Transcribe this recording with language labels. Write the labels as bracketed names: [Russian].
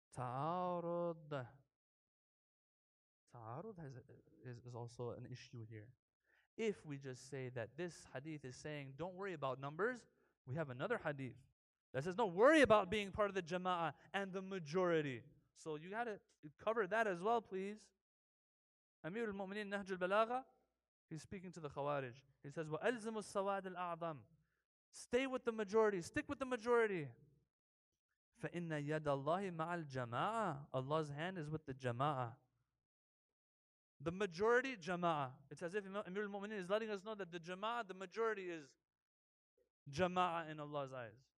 [English] Ta'arud. Ta'arud is also an issue here. If we just say that this hadith is saying, don't worry about numbers, we have another hadith that says, no, worry about being part of the jama'ah and the majority. So you got to cover that as well, please. Amir al-Mu'mineen Nahj al-Balagha, he's speaking to the Khawarij. [Arabic] He says, وَأَلْزِمُ السَّوَادِ الْأَعْظَمِ. [English] Stay with the majority. Stick with the majority. [Arabic] فَإِنَّ يَدَ اللَّهِ مَعَ الْجَمَاعَةِ. [English] Allah's hand is with the jama'ah. The majority, jama'ah. It's as if Amir al-Mu'mineen is letting us know that the jama'ah, the majority is jama'ah in Allah's eyes.